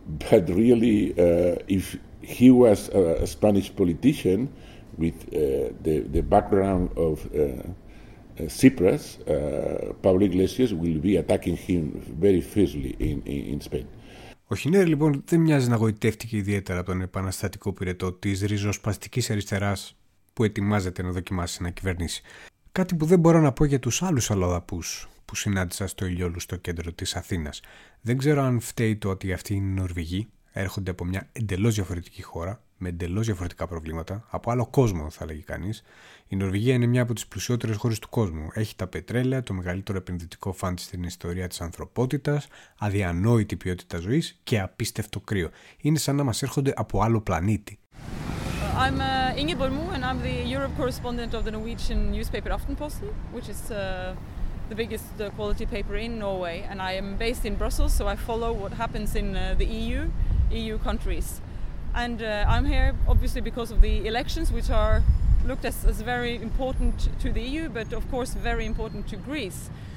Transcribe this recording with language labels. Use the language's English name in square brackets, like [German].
[English] But really, if he was a Spanish politician with the background of Tsipras, Pablo Iglesias will be attacking him very fiercely in Spain. [Greek] Ο Χινέρ λοιπόν δεν μοιάζει να γοητεύτηκε ιδιαίτερα από τον επαναστατικό πυρετό της ριζοσπαστικής αριστεράς που ετοιμάζεται να δοκιμάσει να κυβερνήσει. Κάτι που δεν μπορώ να πω για τους άλλους αλλοδαπούς που συνάντησα στο Ηλιόλου στο κέντρο της Αθήνας. Δεν ξέρω αν φταίει το ότι αυτοί είναι Νορβηγοί, έρχονται από μια εντελώς διαφορετική χώρα, με εντελώς διαφορετικά προβλήματα, από άλλο κόσμο θα λέγει κανείς. Η Νορβηγία είναι μια από τις πλουσιότερες χώρες του κόσμου. Έχει τα πετρέλαια, το μεγαλύτερο επενδυτικό φαντ στην ιστορία της ανθρωπότητας, αδιανόητη ποιότητα ζωής και απίστευτο κρύο. Είναι σαν να μας έρχονται από άλλο πλανήτη. [English] I'm Ingeborg Mo and I'm the Europe correspondent of the Norwegian newspaper Aftenposten, which is the biggest quality paper in Norway, and I am based in Brussels, so I follow what happens in the EU countries. And I'm here obviously because of the elections, which are looked as very important to the EU, but of course very important to Greece.